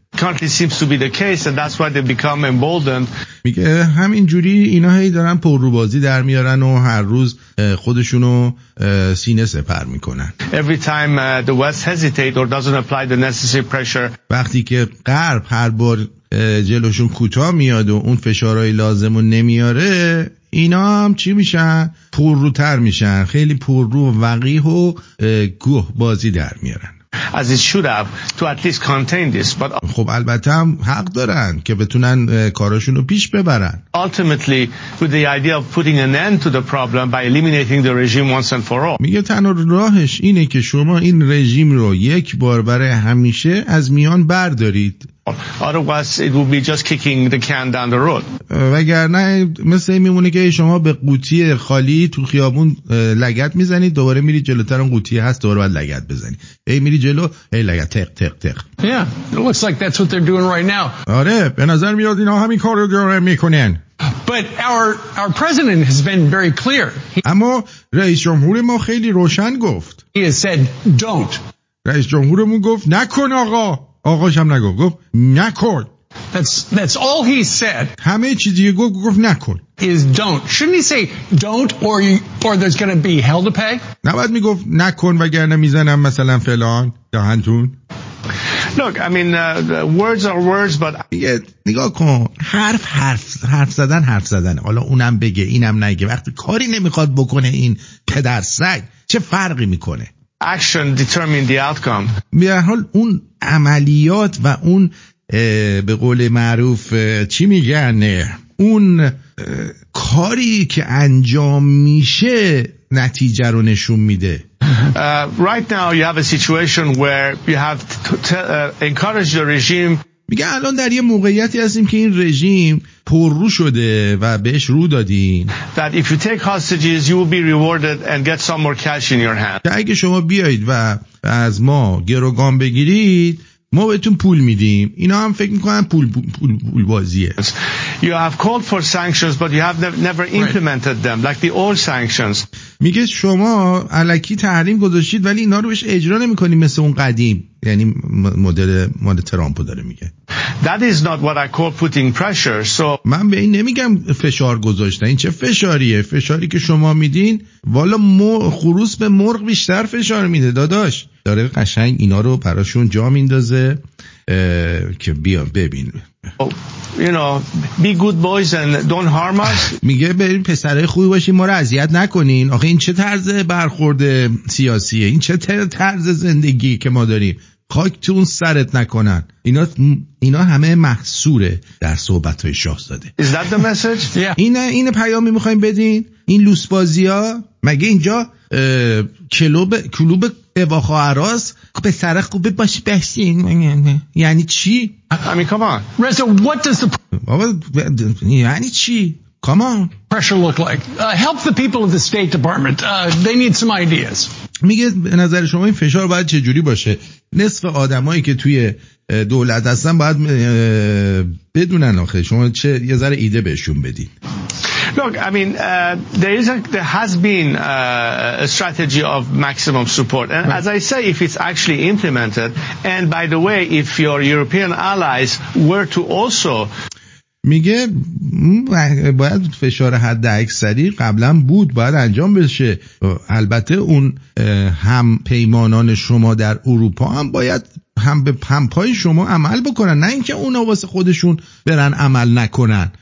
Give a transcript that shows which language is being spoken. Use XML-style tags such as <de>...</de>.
<en>Currently seems to be the case and that's why they become emboldened.</en> <fa>میگه همین جوری اینا هی دارن پرروبازی در میارن و هر روز خودشونو سینه سپر میکنن.</fa> <en>Every time the West hesitate or doesn't apply the necessary pressure.</en> <fa>وقتی که غرب هر بار جلوشون کوتاه میاد و اون فشارهای لازمو نمیاره، اینا هم چی میشن؟ پرروتر میشن، خیلی پررو و وقیح و گوه بازی در میارن.</fa> <en>as it should have to at least contain this. But</en> <fa>خب البته هم حق دارن که بتونن کاراشونو پیش ببرن.</fa> <en>Ultimately, with the idea of putting an end to the problem by eliminating the regime once and for all.</en> <fa>میگه تنها راهش اینه که شما این رژیم رو یک بار برای همیشه از میان بردارید.</fa> <en>Otherwise, it would be just kicking the can down the road.</en> <fa>وگرنه مثل این میمونه که شما به قوطی خالی تو خیابون لگت میزنید، دوباره میری جلوتر اون قوطی هست، دوباره باید لگت بزنید. ای میری جلو، ای لگت، تق تق تق.</fa> <en>Yeah, it looks like that's what they're doing right now.</en> <fa>آره، به نظر میاد اینا همین کار رو دارن میکنن.</fa> <en>But our president has been very clear.</en> <fa>اما رئیس جمهور ما خیلی روشن گفت.</fa> <en>He has said, don't.</en> <fa>رئیس جمهورمون گفت نکن آقا. آقاش هم نگفت، گفت نکن.</fa> <en>That's all he said.</en> <fa>همه چیزی گفت نکن.</fa> <en>Is don't. Shouldn't he say don't or there's going to be hell to pay?</en> <fa>نباید میگفت نکن وگرنه میزنم مثلا فلان دهنتون.</fa> <en>Look, I mean words are words but</en> <fa>نگاه کن، حرف زدن. حالا اونم بگه اینم نگه، وقتی کاری نمیخواد بکنه این پدر سگ چه فرقی میکنه؟</fa> <en>Action determine the outcome.</en> <fa>به هر حال اون عملیات و اون به قول معروف چی میگن، اون کاری که انجام میشه نتیجه رو نشون میده.</fa> <en>Right now you have a situation where you have encourage the regime.</en> <fa>میگه الان در یه موقعیتی هستیم که این رژیم پررو شده و بهش رو دادین.</fa> <en>That if you take hostages you will be rewarded and get some more cash in your hand.</en> <fa>اگه شما بیایید و از ما گروگان بگیرید ما بهتون پول میدیم. اینا هم فکر میکنن پول بازیه.</fa> <en>You have called for sanctions but you have never implemented them like the old sanctions.</en> <fa>میگه شما الکی تحریم گذاشتید ولی اینا رو بهش اجرا نمیکنید مثل اون قدیم، یعنی مدل مال ترامپو داره میگه.</fa> <en>That is not what I call putting pressure. So</en> <fa>من به این نمیگم فشار گذاشتن. این چه فشاریه؟ فشاری که شما میدین والا خروس به مرغ بیشتر فشار میده داداش. داره قشنگ اینا رو براشون جا میندازه که بیا ببین.</fa> <en>You know, be good boys and don't harm us.</en> <fa>میگه بریم پسرای خوبی باشین، ما رو اذیت نکنین. آخه این چه طرز برخورد سیاسیه؟ این چه طرز زندگی که ما داریم؟ خاکتون سرت نکنن. اینا همه محصوره در صحبت‌های شاهزاده.</fa> <en>Is that the message? Yeah.</en> <fa>این پیامی می‌خوایم بدین؟ این لوسبازی‌ها؟ مگه اینجا کلوب ایوا خواهراست؟ به سر خوبه باشی بشین یعنی چی؟</fa> <en>I mean, come on. Reza, what does the...</en> <fa>یعنی چی؟</fa> <en>Come on. Pressure look like. Help the people of the State Department. They need some ideas.</en> <fa>میگه به نظر شما این فشار باید چه جوری باشه؟ نصف آدمایی که توی دولت هستن باید بدونن آخه شما چه یه ذره ایده بهشون بدین.</fa> <en>Look, I mean there has been a strategy of maximum support. And right. As I say, if it's actually implemented, and by the way, if your European allies were to also</en> <fa>میگه باید فشار حد اکثری قبلا بود باید انجام بشه. البته اون هم پیمانان شما در اروپا هم باید هم به پمپای شما عمل بکنن، نه اینکه اونا واسه خودشون برن عمل نکنن.</fa>